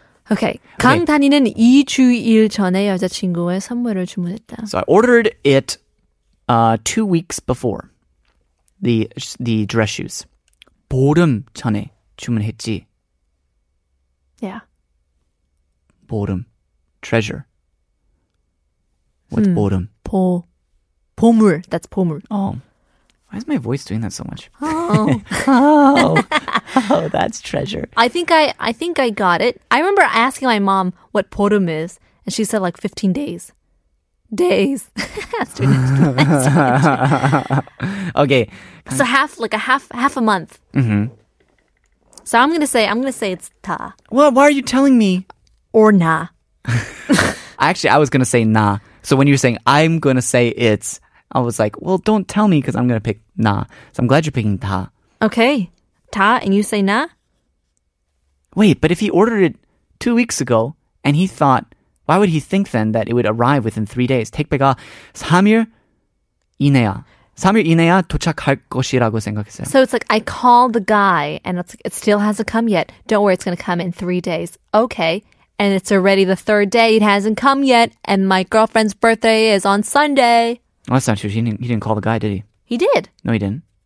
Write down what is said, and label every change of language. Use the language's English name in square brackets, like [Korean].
[Korean] Okay, 강단이는 2주일 전에 여자친구의 선물을 주문했다. [English] So I ordered it 2 weeks before the dress shoes. [Korean] 보름 전에 주문했지. [English] Yeah. 보름. Treasure. What's 보름? 보물. That's 보물. Oh. Why is my voice doing that so much? Oh. Oh, that's treasure. I think I got it. I remember asking my mom what 보름 is, and she said like 15 days. Days. Okay. So half a month. Mm-hmm. So I'm going to say it's 다. Well, why are you telling me? Or nah. Actually, I was going to say nah. So when you were saying, I'm going to say it's, I was like, well, don't tell me because I'm going to pick nah. So I'm glad you're picking ta. Okay. Ta, and you say nah? Wait, but if he ordered it 2 weeks ago and he thought, why would he think then that it would arrive within 3 days? [Korean] 택배가 3일 이내야 도착할 것이라고 생각했어요. [English] So it's like, I called the guy and it's like, it still hasn't come yet. Don't worry, it's going to come in 3 days. Okay. And it's already the third day. It hasn't come yet. And my girlfriend's birthday is on Sunday. Well, that's not true. He didn't call the guy, did he? He did. No, he didn't.